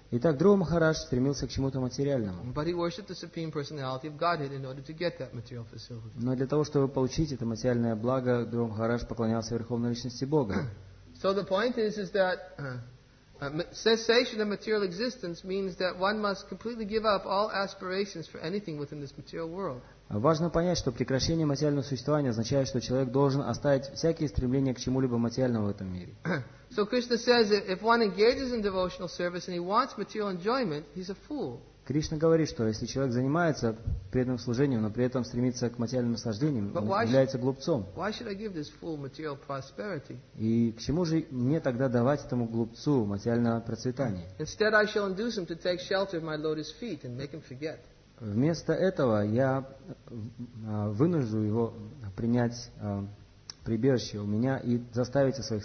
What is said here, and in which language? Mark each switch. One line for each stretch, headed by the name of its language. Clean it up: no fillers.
Russian: Итак, Дхрува Махарадж стремился к чему-то материальному.
English: But he worshipped the supreme personality of Godhead in order to get that material facility.
Russian: Но для того, чтобы получить это материальное благо, Дхрува Махарадж поклонялся верховной личности Бога.
English: So the point is that cessation of material existence means that one must completely give up all aspirations for anything within this material world.
Russian: Важно понять, что прекращение материального существования означает, что человек должен оставить всякие стремления к чему-либо материальному в этом мире.
English: So Krishna says that if one engages in devotional service and he wants material enjoyment, he's a fool.
Russian: Кришна говорит, что если человек занимается преданным служением, но при этом стремится к материальным наслаждениям, он является глупцом.
English: Why should I give this fool material prosperity?
Russian: И к чему же мне тогда давать этому глупцу материальное процветание?
English: Instead, I shall induce him to take shelter at my lotus feet and make him forget.
Russian: Вместо этого я вынужу его принять прибежище у меня и заставить о своих